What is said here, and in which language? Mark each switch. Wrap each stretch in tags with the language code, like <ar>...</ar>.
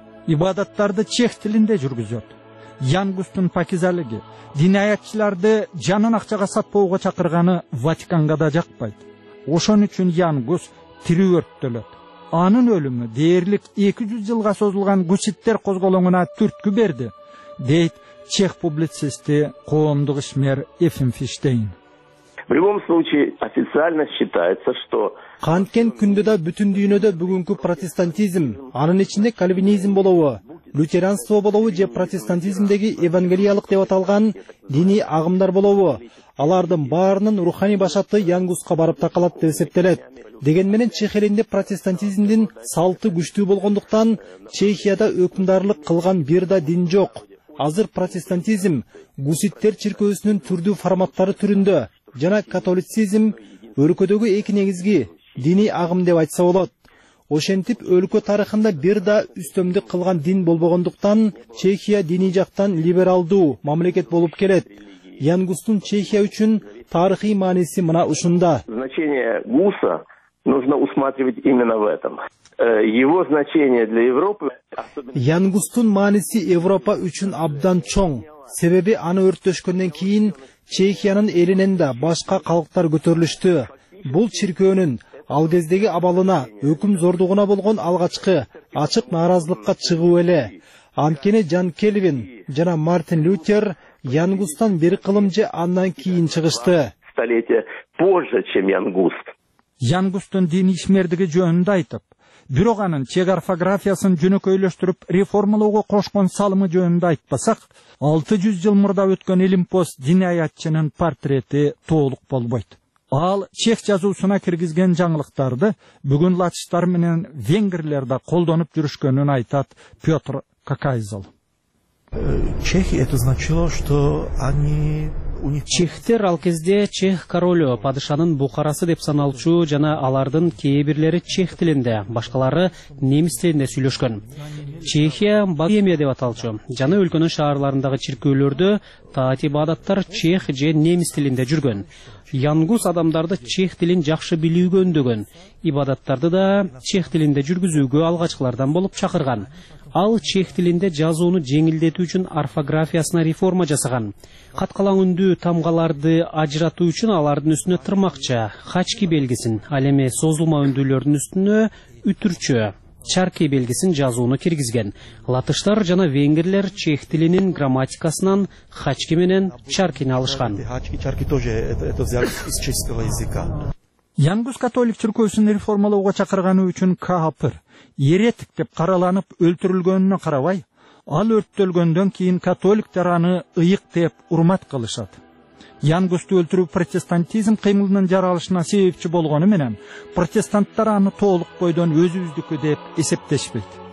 <ky>Ибадаттарды чех тилинде жүргүзөт. Янгустун пакизалиги динаятчыларды жанын акчага сатпоого чакырганы Ватиканга да жакпайт. Ошон үчүн Янгус тирүү өрттөлөт. Анын өлүмү дээрлик 200 жылга созулган гуситтер козголоңуна түрткү берди. Дейт чех публицисти коомдук ишмер Ефим Фиштейн.</ky> <ru>В любом случае официально считается, что</ru> <ky>Канткен күндө да бүтүн дүйнөдө бүгүнкү протестантизм, анын ичинде кальвинизм болобу, лютеранство болобу же протестантизмдеги евангелиялык деп аталган диний агымдар болобу, алардын баарынын руханий башаты Янгуска барып такалат деп эсептелет. Деген менен чех элинде протестантизмдин салты күчтүү болгондуктан Чехияда өкүмдарлык кылган бир да дин жок. Азыр протестантизм гуситтер чиркөөсүнүн түрдүү форматтары түрүндө жана католицизм өлкөдөгү эки негизги диний агым деп айтса болот. Ошентип өлкө тарыхында бир да үстөмдүк кылган дин болбогондуктан Чехия диний жактан либералдуу мамлекет болуп келет. Янгустун Чехия үчүн тарыхый мааниси мына ушунда.</ky> <ru>Значение гуса нужно усматривать именно в этом. Его значение для Европы</ru> <ky>Янгустун мааниси Европа үчүн абдан чоң. Себеби аны өрттөшкөндөн кийин Чехиянын элинен да башка калктар көтөрүлүштү. Бул чиркөөнүн ал кездеги абалына, өкүм зордугуна болгон алгачкы ачык нааразылыкка чыгуу эле. Анткени Жан Кельвин жана Мартин Лютер Янгустан бир кылым же андан кийин чыгышты.</ky> <ru>Столетия позже, чем Янгуст.</ru> <ky>Янгустун дин ишмердиги жөнүндө айтып, бирок анын чек орфографиясын жөнөкөйлөштүрүп реформалоого кошкон салымы жөнүндө айтпасак, 600 жыл мурда өткөн Олимпос динаятчынын портрети толук болбойт. Ал чех жазуусуна киргизген жаңылыктарды бүгүн латыштар менен венгрлер да колдонуп жүрүшкөнүн айтат Петр Какайзл.</ky> <ru>Чехи это значило, что они</ru> <ky>Чехтер ал кезде чех королю, падышанын бухарасы деп саналчу жана алардын кээ бирлери чех тилинде, башкалары немис тилинде сүйлөшкөн. Чехия Богемия деп аталчу жана өлкөнүн шаарларындагы чиркөөлөрдө таат ибадаттар чех же немис тилинде жүргөн. Янгус адамдарды чех тилин жакшы билүүгө үндөгөн, ибадаттарды да чех тилинде жүргүзүүгө алгачкылардан болуп чакырган. ал чех тилинде жазууну жеңилдетүү үчүн орфографиясына реформа жасаган. Каткалаңдуу тамгаларды ажыратуу үчүн алардын үстүнө тырмакча, хачки белгисин, ал эми созулма үндүлөрдүн үстүнө үтүрчү, чарки белгисин жазууну киргизген. Латыштар жана венгерлер чех тилинин грамматикасынан хачки менен чаркини алышкан.</ky> <ru>Хачки, чарки тоже это взяли из чешского языка.</ru> <ky>Янгус католик чиркөөсүн реформалоого чакырганы үчүн каапыр, еретик деп караланып өлтүрүлгөнүнө карабай, ал өрттөлгөндөн кийин католиктер аны ыйык деп урмат кылышат. Янгусту өлтүрүү протестантизм кыймылынын жаралышына себепчи болгону менен протестанттар аны толук бойдон өзүбүздүкү деп эсептешпейт.</ky>